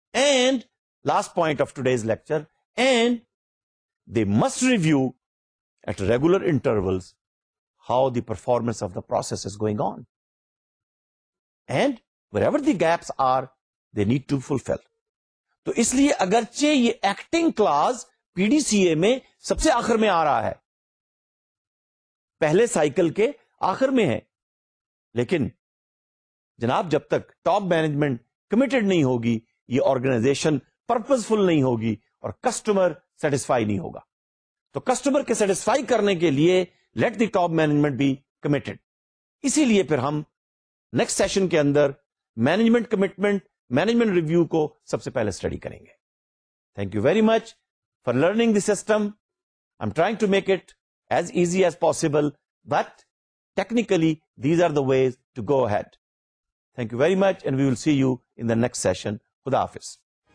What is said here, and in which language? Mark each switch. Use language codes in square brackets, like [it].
[en] And last point of today's lecture, and they must review at regular intervals how the performance of the process is going on. And wherever the gaps are, they need to fulfill. [ur] تو اس لیے اگرچہ یہ acting Claus P D C اے میں سب سے آخر میں آ رہا ہے, پہلے سائیکل کے آخر میں ہے, لیکن جناب جب تک ٹاپ مینجمنٹ کمیٹڈ نہیں ہوگی, یہ آرگنائزیشن پرپزفل نہیں ہوگی اور کسٹمر سیٹسفائی نہیں ہوگا. تو کسٹمر کے سیٹسفائی کرنے کے لیے [en] Let the top management be committed. [ur] اسی لیے پھر ہم نیکسٹ سیشن کے اندر مینجمنٹ کمیٹمنٹ, مینجمنٹ ریویو کو سب سے پہلے اسٹڈی کریں گے. [en] Thank you very much for learning the system. I am trying to make it as easy as possible, but technically these are the ways to go ahead. Thank you very much and we will see you in the next session. [ur] خدا حافظ.